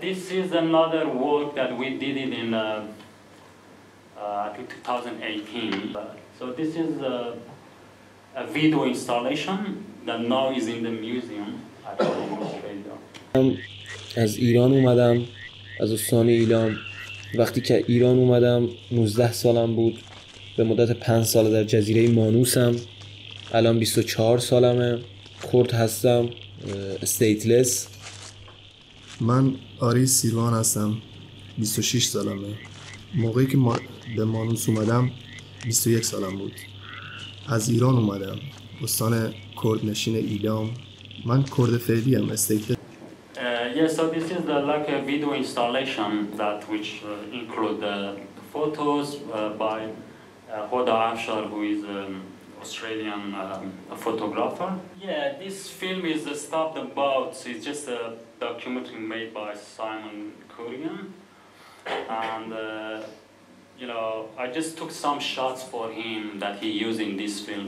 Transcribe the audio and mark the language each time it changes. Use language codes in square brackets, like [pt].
[en] This is another work that we did it in 2018. So this is a video installation that now is in the museum at Australia. [fa] As Iran umadam, از استان ایلام. وقتی که ایران اومدم 19 سالم بود، به مدت 5 سال در جزیره مانوسم، الان 24 سالمه، کرد هستم، استیتلس. من آری سیلوان هستم، 26 سالمه. موقعی که به مانوس اومدم 21 سالم بود. از ایران اومدم، استان کرد نشین ایلام. من کرد فعلی ام، استیتلس. [en] Yeah, so this is like a video installation that which include the photos by Hoda Afshar, who is an Australian photographer. Yeah, this film is stopped about. So it's just a documentary made by Simon Kurian, and you know, I just took some shots for him that he used in this film.